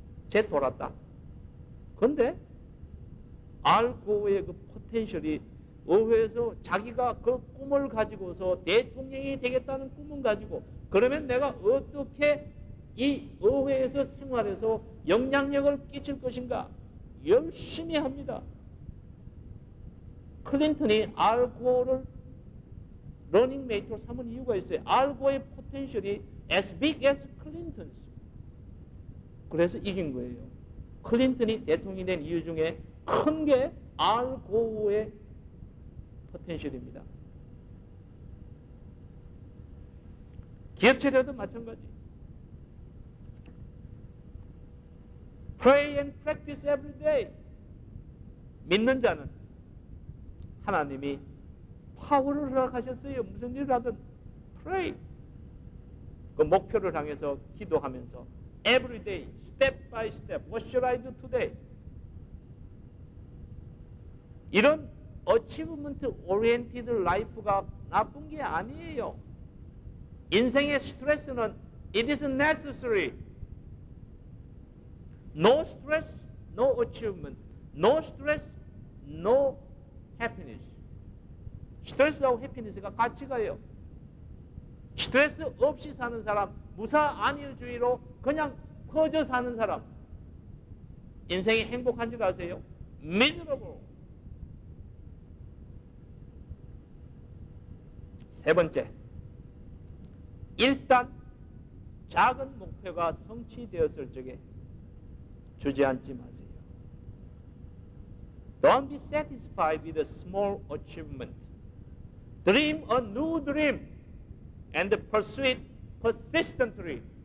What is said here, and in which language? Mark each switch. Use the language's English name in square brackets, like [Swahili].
[Korean] 쟤 돌았다. 그런데 알 고의 그 포텐셜이 의회에서 자기가 그 꿈을 가지고서 대통령이 되겠다는 꿈을 가지고 그러면 내가 어떻게 이 의회에서 생활해서 영향력을 끼칠 것인가 열심히 합니다. 클린턴이 알 고를 러닝메이트로 삼은 이유가 있어요. 알 고의 포텐셜이 [English] as big as Clinton's. [Korean] 그래서 이긴 거예요. 클린턴이 대통령이 된 이유 중에 큰 게 알 고의 포텐셜입니다. 기업체라도 마찬가지. [English] Pray and practice every day. [Korean] 믿는 자는 하나님이 파워를 허락하셨어요. 무슨 일을 하든 pray. 그 목표를 향해서 기도하면서 [English] every day, step by step. What should I do today? [Korean] 이런 [English] achievement oriented life [Korean] 가 나쁜 게 아니에요. 인생의 스트레스는 [English] it is necessary. No stress, no achievement. No stress, no happiness. [Korean] 스트레스하고 happiness가 같이 가요. 스트레스 없이 사는 사람, 무사 안일주의로 그냥 커져 사는 사람. 인생이 행복한 줄 아세요? [English] Miserable. [Korean] 세 번째, 일단 작은 목표가 성취되었을 적에 주저앉지 마세요. [English] Don't be satisfied with a small achievement. Dream a new dream and pursue it persistently.